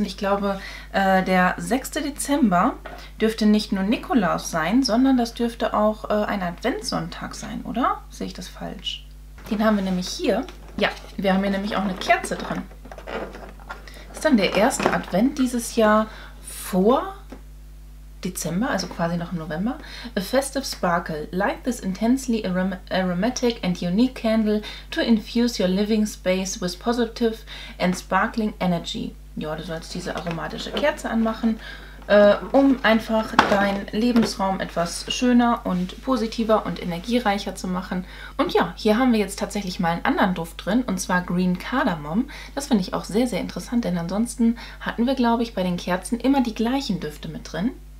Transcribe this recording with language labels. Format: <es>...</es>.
<de>Und ich glaube, der 6. Dezember dürfte nicht nur Nikolaus sein, sondern das dürfte auch ein Adventssonntag sein, oder? Sehe ich das falsch? Den haben wir nämlich hier. Ja, wir haben hier nämlich auch eine Kerze drin. Ist dann der erste Advent dieses Jahr vor Dezember, also quasi noch im November.</de> <en>A festive sparkle. Light this intensely aromatic and unique candle to infuse your living space with positive and sparkling energy.</en> <de>Ja, du sollst diese aromatische Kerze anmachen, um einfach deinen Lebensraum etwas schöner und positiver und energiereicher zu machen. Und ja, hier haben wir jetzt tatsächlich mal einen anderen Duft drin, und zwar Green Cardamom. Das finde ich auch sehr, sehr interessant, denn ansonsten hatten wir, glaube ich, bei den Kerzen immer die gleichen Düfte mit drin.</de>